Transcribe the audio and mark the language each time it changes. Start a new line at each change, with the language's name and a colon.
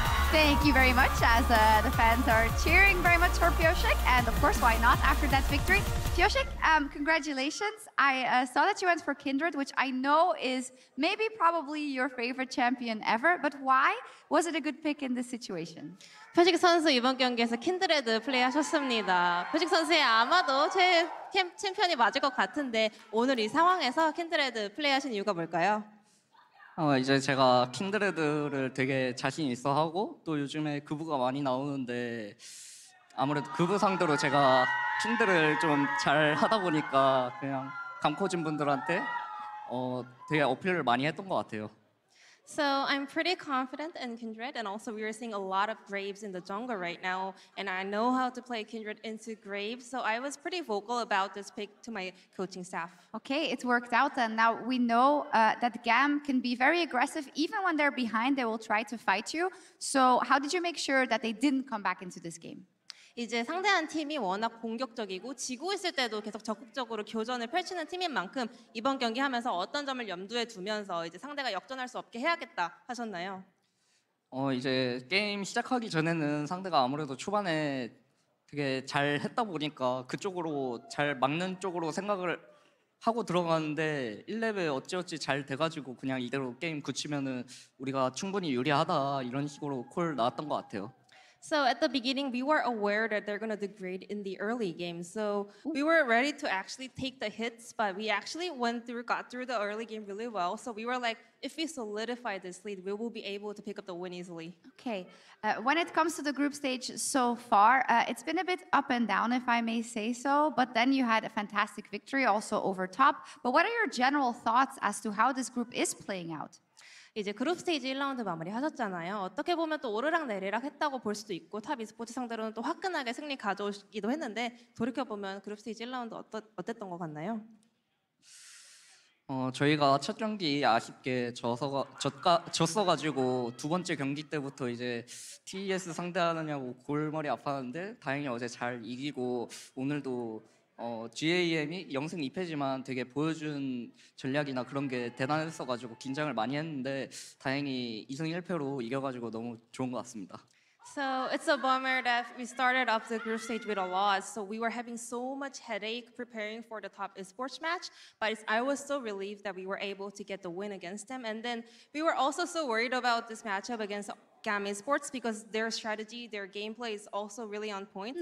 English: Thank you very much, as the fans are cheering very much for Pyosik. And of course, why not after that victory? Pyosik, congratulations. I saw that you went for Kindred, which I know is maybe probably your favorite champion ever. But why was it a good pick in this situation?
Korean: 표식 선수 이번 경기에서 킨드레드 플레이하셨습니다. 표식 선수의 아마도 최애 챔피언이 맞을 것 같은데 오늘 이 상황에서 킨드레드 플레이하신 이유가 뭘까요? 이제 제가 킨드레드를 되게 자신 있어 하고 또 요즘에 그부가 많이 나오는데 아무래도 그부 상대로 제가 킨드를 좀 잘 하다 보니까 그냥 감코진 분들한테 되게 어필을 많이 했던 것 같아요.
English: So I'm pretty confident in Kindred, and also we are seeing a lot of Graves in the jungle right now, and I know how to play Kindred into Graves, so I was pretty vocal about this pick to my coaching staff. Okay, it's worked out, and now we know that GAM can be very aggressive. Even when they're behind, they will try to fight you. So how did you make sure that they didn't come back into this game?
Korean: 이제 상대한 팀이 워낙 공격적이고 지고 있을 때도 계속 적극적으로 교전을 펼치는 팀인 만큼 이번 경기 하면서 어떤 점을 염두에 두면서 이제 상대가 역전할 수 없게 해야겠다 하셨나요? 이제 게임 시작하기 전에는 상대가 아무래도 초반에 되게 잘 했다 보니까 그쪽으로 잘 막는 쪽으로 생각을 하고 들어갔는데 1레벨 어찌어찌 잘 돼가지고 그냥 이대로 게임 굳히면은 우리가 충분히 유리하다 이런 식으로 콜 나왔던 것 같아요.
English: So at the beginning, we were aware that they're going to degrade in the early game. So we were ready to actually take the hits, but we actually got through the early game really well. So we were like, if we solidify this lead, we will be able to pick up the win easily. Okay. When it comes to the group stage so far, it's been a bit up and down, if I may say so. But then you had a fantastic victory also over top. But what are your general thoughts as to how this group is playing out?
Korean: 이제 그룹 스테이지 1라운드 마무리 하셨잖아요. 어떻게 보면 또 오르락 내리락 했다고 볼 수도 있고 탑 e스포츠 상대로는 또 화끈하게 승리 가져오기도 했는데 돌이켜보면 그룹 스테이지 1라운드 어땠던 것 같나요? 저희가 첫 경기 아쉽게 졌어가지고 두 번째 경기 때부터 이제 TES 상대하느냐고 골머리 아팠는데 다행히 어제 잘 이기고 오늘도 GAM이 0승 2패지만 되게 보여준 전략이나 그런 게 대단했어가지고 긴장을 많이 했는데 다행히 2승 1패로 이겨가지고 너무 좋은 것 같습니다.
English: So it's a bummer that we started off the group stage with a loss. So we were having so much headache preparing for the top esports match. But I was so relieved that we were able to get the win against them. And then we were also so worried about this matchup against GAM Esports because their strategy, their gameplay is also really on point.